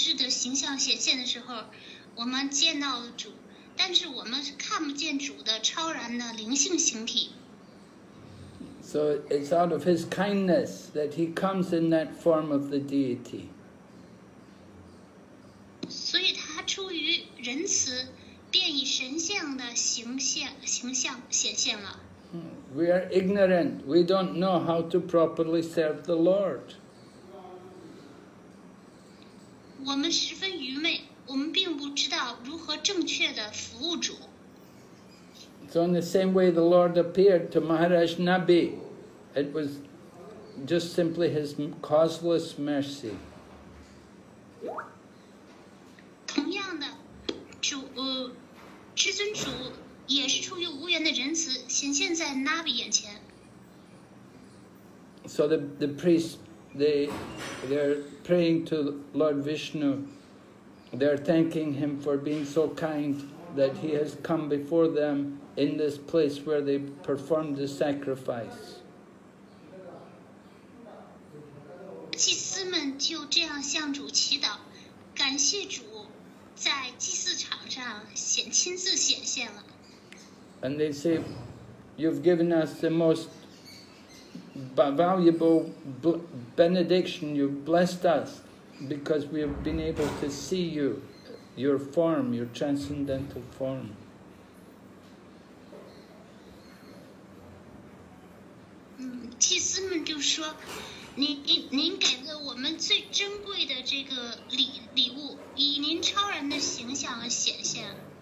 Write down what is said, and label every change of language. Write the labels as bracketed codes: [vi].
[zh] 形象显现的时候，我们见到了主，但是我们看不见主的超然的灵性形体。 [en] So it's out of His kindness that He comes in that form of the deity. [zh] 所以他出于仁慈，便以神像的形象显现了。 [en] We are ignorant. We don't know how to properly serve the Lord. [zh] 我们十分愚昧，我们并不知道如何正确地服务主。 [en] So in the same way the Lord appeared to Maharaj Nabi, it was just simply His causeless mercy. [zh] 同样的，主，至尊主也是出于无缘的仁慈显现在 Nabi 眼前。 [en] So the priest, they're praying to Lord Vishnu. They're thanking Him for being so kind that He has come before them in this place where they performed the sacrifice. [zh] 祭司们就这样向主祈祷，感谢主在祭祀场上亲自显现了。 [en] And they say, "You've given us the most valuable benediction. You've blessed us because we have been able to see you, your form, your transcendental form." [zh] 祭司们就说，您给了我们最珍贵的这个礼物，以您超然的形象显现。